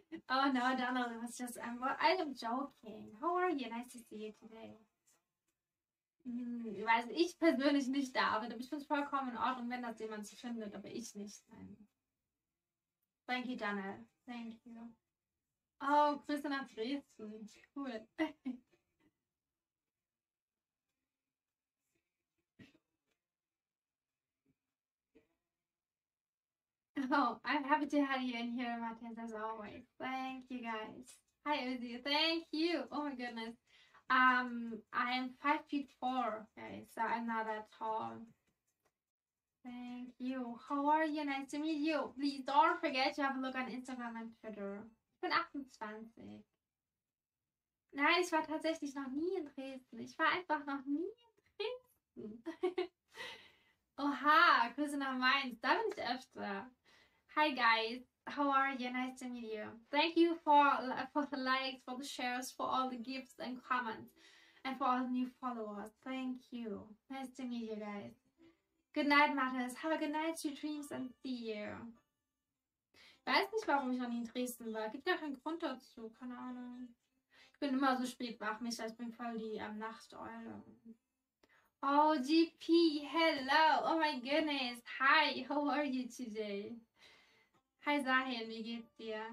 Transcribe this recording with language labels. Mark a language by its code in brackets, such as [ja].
[en] Oh, no, Donald, it was just, I'm joking. How are you? Nice to see you today. [de] Hm, weiß ich persönlich nicht da, aber ich finde es vollkommen in Ordnung, wenn das jemand so findet, aber ich nicht. Nein. [en] Thank you, Donald. Thank you. [de] Oh, Grüße nach Dresden. Cool. [en] Oh, I'm happy to have you in here, Matthias, as always. Thank you, guys. Hi, Uzi. Thank you. Oh, my goodness. I'm 5'4", guys, so I'm not that tall. Thank you. How are you? Nice to meet you. Please don't forget to have a look on Instagram and Twitter. [de] Ich bin 28. Nein, ich war tatsächlich noch nie in Dresden. Ich war einfach noch nie in Dresden. Oha, Grüße nach Mainz. Da bin ich öfter. [en] Hi guys, how are you? Nice to meet you. Thank you for the likes, for the shares, for all the gifts and comments, and for all the new followers. Thank you. Nice to meet you guys. Good night, Matthias. Have a good night, sweet dreams, and see you. [de] Ich weiß nicht, warum ich noch nie in Dresden war. Gibt gar keinen Grund dazu. Keine Ahnung. Ich bin immer so spät wach, mich. Ich bin voll die Nachteule. [en] Oh, GP, hello. Oh my goodness. Hi, how are you today? Hi Sahin, [de] wie geht's dir?